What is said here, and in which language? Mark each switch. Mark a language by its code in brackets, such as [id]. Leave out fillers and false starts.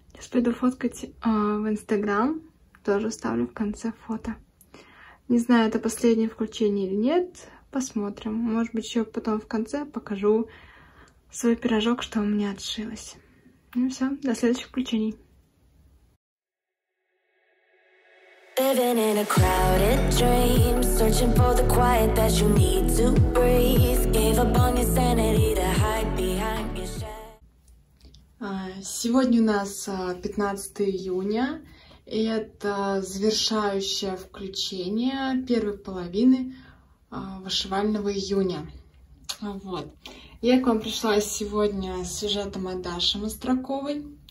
[ru] Пойду фоткать в Инстаграм, тоже ставлю в конце фото. Не знаю, это последнее включение или нет, посмотрим. Может быть, еще потом в конце покажу свой пирожок, что у меня отшилось. Ну все, до следующих включений. [en] Living in a crowded dream, searching for the quiet that you need to breathe. Gave up on your sanity to hide behind your shadow. [ru] Сегодня у нас 15 июня, и это завершающее включение первой половины вышивального июня. Вот. Я к вам пришла сегодня с сюжетом от Даши Мастраковой.